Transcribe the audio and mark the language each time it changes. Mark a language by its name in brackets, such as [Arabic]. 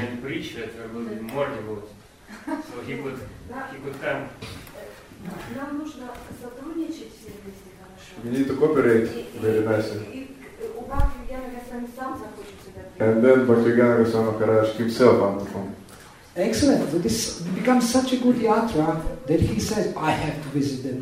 [English] And preach that there will be more devotees. So he would come. [Russian] Нам нужно сотрудничать все вместе хорошо. [English] We need to cooperate very nicely. And then Bhaktivedanta Goswami Maharaj himself on the phone. Excellent. So this becomes such a good yatra that he says, I have to visit them.